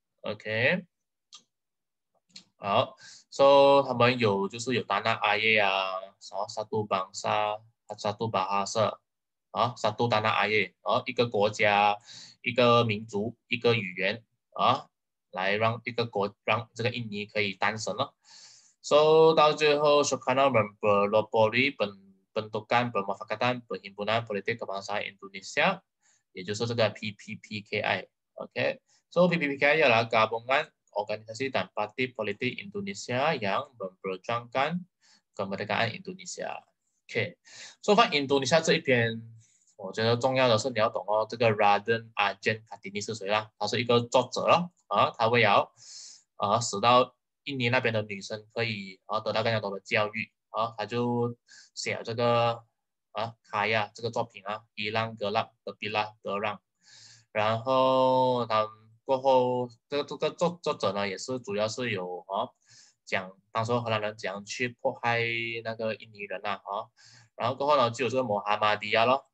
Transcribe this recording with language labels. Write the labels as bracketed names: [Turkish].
[Chinese] OK，好，so 他们有就是有 [Malay] Tanah Air satu bangsa satu bahasa。 satu tanah air [Chinese] 一个国家，一个民族，一个语言来让一个国让这个印尼可以诞生了。 [Malay] So [Chinese] 到最后， [Malay] Sukarno mempelopori pembentukan Pemufakatan Perhimpunan Politik Kebangsaan Indonesia， [Chinese] 也就是这个 [Malay] PPPKI。 OK，So PPPKI adalah gabungan organisasi dan parti politik Indonesia yang memperjuangkan kemerdekaan Indonesia。 [English] OK，So far Indonesia [Chinese] 这一边。我觉得重要的是你要懂哦，这个 Raden Ajeng Kartini 是谁啦？他是一个作者咯，他为了使到印尼那边的女生可以得到更加多的教育，他就写了这个卡亚这个作品啊，伊朗格拉德比拉德让，然后他过后这个作者呢也是主要是有讲当时荷兰人怎样去迫害那个印尼人呐，然后过后呢就有这个穆罕默迪亚咯。